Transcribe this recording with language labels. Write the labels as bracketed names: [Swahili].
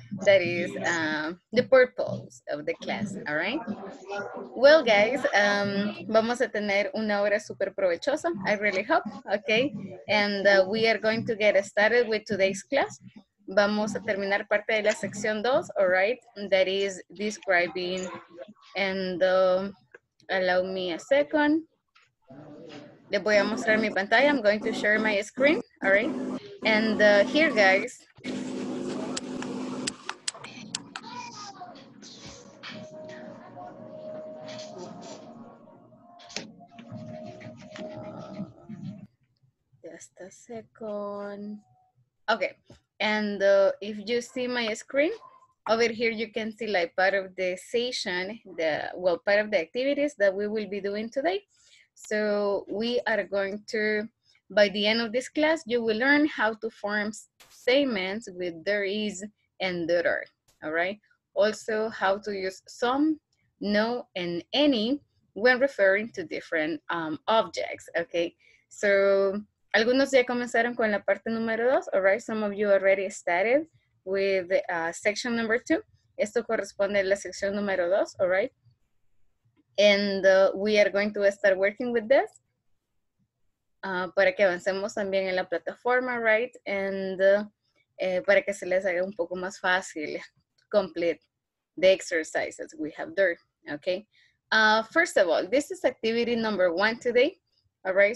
[English] That is the purpose of the class, all right? Well, guys, [Spanish] vamos a tener una hora super provechosa, [English] I really hope, okay? And we are going to get started with today's class. [Spanish] Vamos a terminar parte de la sección 2, [English] all right? That is describing, and allow me a second. [Spanish] Les voy a mostrar mi pantalla. [English] I'm going to share my screen, all right? And here, guys. Just a second. Okay. And if you see my screen, over here you can see like part of the session, part of the activities that we will be doing today. So we are going to, by the end of this class, you will learn how to form statements with there is and there are, all right? Also how to use some, no, and any when referring to different objects, okay? [Spanish] So, algunos ya comenzaron con la parte número dos, [English] all right? Some of you already started with section number two. [Spanish] Esto corresponde a la sección número dos, [English] all right? And we are going to start working with this. [Spanish] Para que avancemos también en la plataforma, right? [English] And [Spanish] para que se les haga un poco más fácil [English] complete the exercises we have there, okay? First of all, this is activity number one today, all right?